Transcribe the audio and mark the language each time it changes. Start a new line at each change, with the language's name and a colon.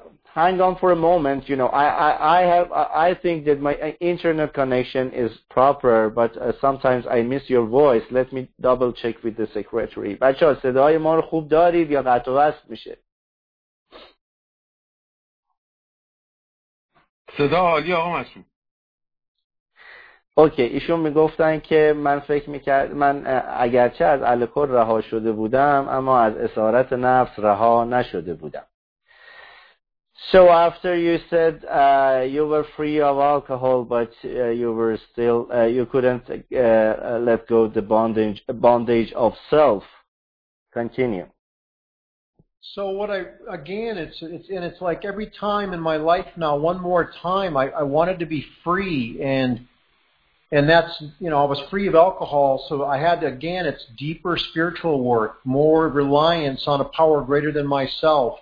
English: hang on for a moment, you know, I think that my internet connection is proper, but sometimes I miss your voice. Let me double check with the secretary.
Persian: بچه ها صدای ما رو خوب دارید یا قطع و وصل میشه؟ صدا عالی آقا مسعود. اوکی، ایشون میگفتن که من فکر میکرد من اگرچه از الکل رها شده بودم اما از اسارت نفس رها نشده بودم.
English: So after you said you were free of alcohol but you couldn't let go the bondage of self. Continue. So what I again it's like every time in my life now one more time I wanted to be free and that's, you know, I was free of alcohol, so I had to, again, it's deeper spiritual work, more reliance on a power greater than myself.